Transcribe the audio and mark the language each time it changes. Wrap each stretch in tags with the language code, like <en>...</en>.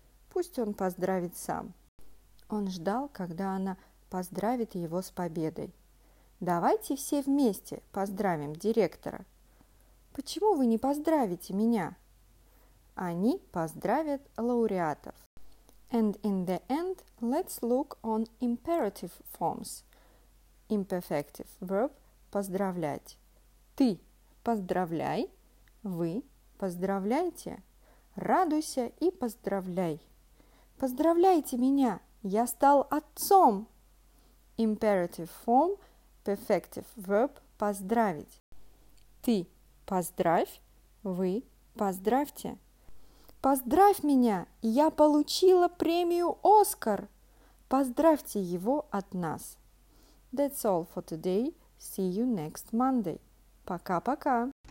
<ru>Пусть он поздравит сам. Он ждал, когда она поздравит его с победой. Давайте все вместе поздравим директора. Почему вы не поздравите меня? Они поздравят лауреатов.</ru> <en>And in the end, let's look on imperative forms. Imperfective verb – поздравлять.</en> <ru>Ты поздравляй, вы поздравляйте. Радуйся и поздравляй. Поздравляйте меня, я стал отцом.</ru> <en>Imperative form – perfective verb – поздравить.</en> <ru>Ты поздравь, вы поздравьте. Поздравь меня, я получила премию Оскар. Поздравьте его от нас.</ru> <en>That's all for today. See you next Monday.</en> <ru>Пока-пока.</ru>